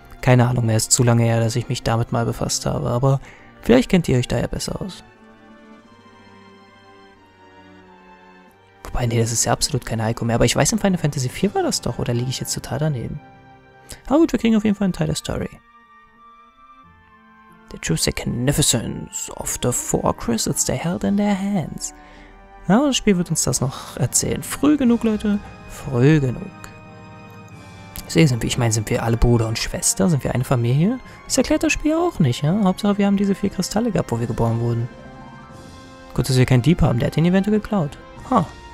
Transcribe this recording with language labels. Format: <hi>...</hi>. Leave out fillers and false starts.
<de>Keine Ahnung mehr, ist zu lange her, dass ich mich damit mal befasst habe. Aber vielleicht kennt ihr euch da ja besser aus. Nee, das ist ja absolut kein Haiku mehr. Aber ich weiß, in Final Fantasy 4 war das doch. Oder liege ich jetzt total daneben? Aber gut, wir kriegen auf jeden Fall einen Teil der Story.</de> <en>The true significance of the four crystals, the held in their hands.</en> <de>Na, das Spiel wird uns das noch erzählen. Früh genug, Leute. Früh genug. Sind wir alle Bruder und Schwester? Sind wir eine Familie? Das erklärt das Spiel auch nicht, ja? Hauptsache, wir haben diese 4 Kristalle gehabt, wo wir geboren wurden. Gut, dass wir keinen Dieb haben. Der hat den eventuell geklaut. Ha.</de>